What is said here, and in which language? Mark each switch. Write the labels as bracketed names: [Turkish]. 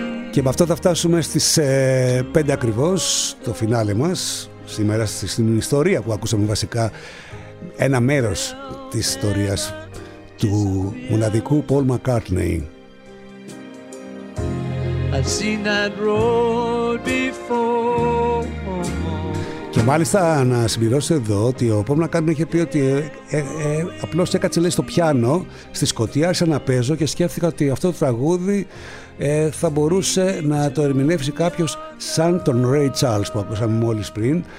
[Greek] Και με αυτό θα φτάσουμε στις 5 ακριβώς το φινάλε μας σήμερα, στην ιστορία που ακούσαμε, βασικά ένα μέρος της ιστορίας του μοναδικού Paul McCartney. [English] I've seen that road before. [Greek] Και μάλιστα να συμπληρώσω εδώ ότι ο Paul McCartney είχε πει ότι απλώς έκατσε, λέει, στο πιάνο στη σκοτία, άρχισε να παίζω και σκέφτηκα ότι αυτό το τραγούδι θα μπορούσε να το ερμηνεύσει κάποιος σαν τον Ray Charles που ακούσαμε μόλις πριν.